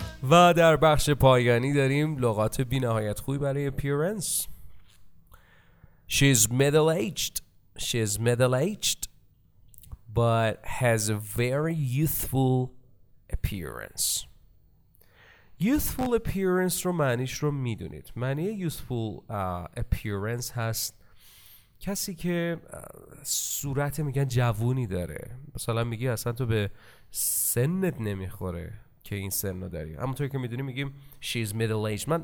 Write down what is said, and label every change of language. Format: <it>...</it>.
<fa>و در بخش پایانی داریم لغات بی نهایت خوبی برای appearance.</fa> <en>She's middle aged but has a very youthful appearance.</en> <fa>Youthful appearance رو معنیش رو می دونید، معنی youthful appearance هست کسی که صورت میگن جوونی داره. مثلا میگی اصلا تو به سنت نمیخوره که این سن رو داری، همونطور که میدونی میگیم</fa> <en>she's middle aged.</en>